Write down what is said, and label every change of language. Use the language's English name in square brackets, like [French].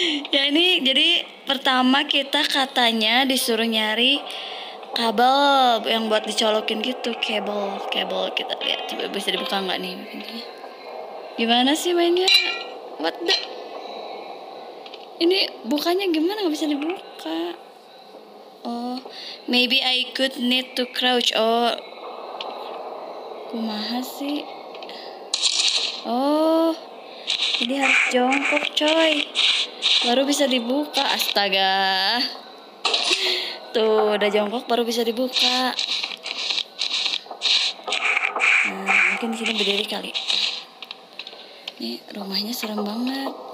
[Indonesian] Ya ini jadi pertama kita katanya disuruh nyari kabel yang buat dicolokin gitu, kabel. Kita lihat coba bisa dibuka enggak nih. Gimana sih mainnya? [English] What the? [Indonesian] Ini bukanya gimana, enggak bisa dibuka. [English] Oh, maybe I could need to crouch. [Sundanese] Oh. Kumaha sih? [Indonesian] Oh, jadi harus jongkok coy, baru bisa dibuka. Astaga. Tuh, udah jongkok baru bisa dibuka. Nah, mungkin disini berdiri kali. Nih, rumahnya serem banget.